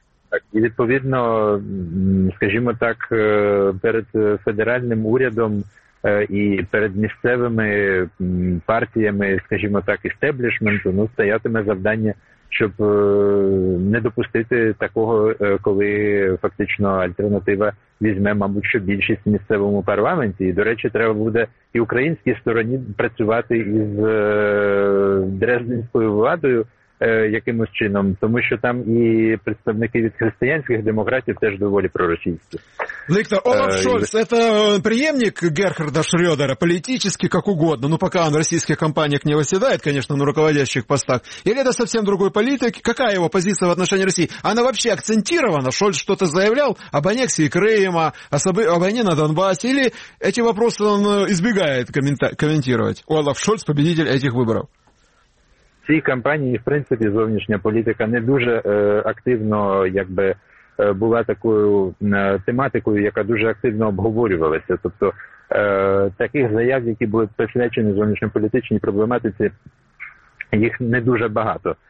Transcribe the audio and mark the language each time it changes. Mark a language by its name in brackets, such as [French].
[Ukrainian] Так, і відповідно, скажімо так, перед федеральним урядом і перед місцевими партіями, скажімо так, істеблішменту, ну, стоятиме завдання, щоб не допустити такого, коли фактично альтернатива візьме, мабуть, що більшість в місцевому парламенті. І, до речі, треба буде і українській стороні працювати із Дрезденською владою якимось чином, тому що там і представники від християнських демократів теж доволі проросійські. [Russian] Виктор, Олаф Шольц, это преемник Герхарда Шрёдера, политически как угодно, ну пока он в российских компаниях не восседает, конечно, на руководящих постах, или это совсем другой политик? Какая его позиция в отношении России? Она вообще акцентирована? Шольц что-то заявлял об аннексии Крыма, о войне на Донбассе, или эти вопросы он избегает комментировать? Олаф Шольц, победитель этих выборов. [Ukrainian] В цій кампанії, в принципі, зовнішня політика не дуже активно якби була такою тематикою, яка дуже активно обговорювалася. Тобто таких заяв, які були присвячені зовнішньополітичній проблематиці, їх не дуже багато.